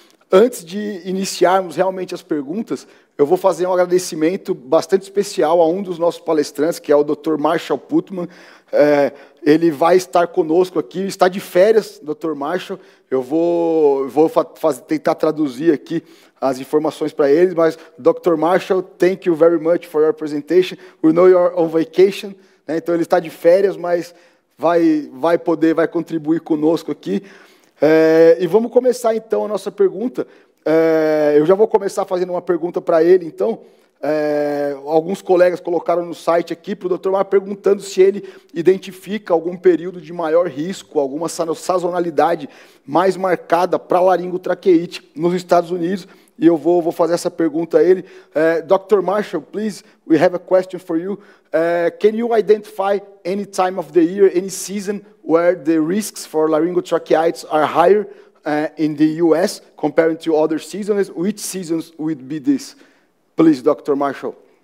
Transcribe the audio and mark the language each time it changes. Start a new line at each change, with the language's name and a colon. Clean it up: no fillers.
Portuguese: Antes de iniciarmos realmente as perguntas, eu vou fazer um agradecimento bastante especial a um dos nossos palestrantes, que é o Dr. Marshall Putman. Ele vai estar conosco aqui, está de férias, Dr. Marshall. Eu vou tentar traduzir aqui as informações para ele, mas, Dr.
English: Marshall, thank you very much for your presentation. We know you're on vacation.
Portuguese: Né? Então, ele está de férias, mas vai contribuir conosco aqui. E vamos começar, então, a nossa pergunta. Eu já vou começar fazendo uma pergunta para ele, então. Alguns colegas colocaram no site aqui para o Dr. Mar perguntando se ele identifica algum período de maior risco, alguma sazonalidade mais marcada para laringotraqueite nos Estados Unidos. E eu vou fazer essa pergunta a ele. Dr.
English: Marshall, please, we have a question for you. Can you identify any time of the year, any season, where the risks for laryngotracheitis are higher in the U.S. compared to other seasons? Which seasons would be this? Please, Dr. Marshall.